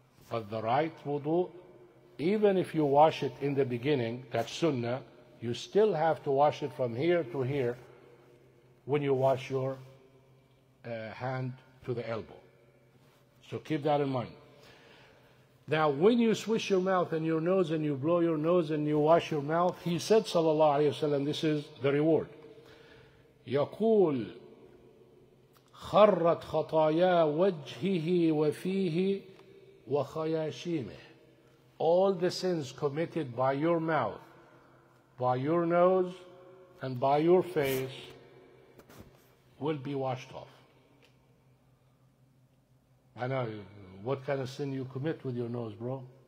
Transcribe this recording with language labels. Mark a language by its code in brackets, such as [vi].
[en] But the right wudu, even if you wash it in the beginning, that sunnah, you still have to wash it from here to here when you wash your hand to the elbow. So keep that in mind. Now, when you swish your mouth and your nose and you blow your nose and you wash your mouth, he said, sallallahu alayhi wa sallam, this is the reward. [ar] يقول خرت خطايا وجهه وفيه وخياشيمه. [en] All the sins committed by your mouth, by your nose, and by your face will be washed off. I know, what kind of sin you commit with your nose, bro?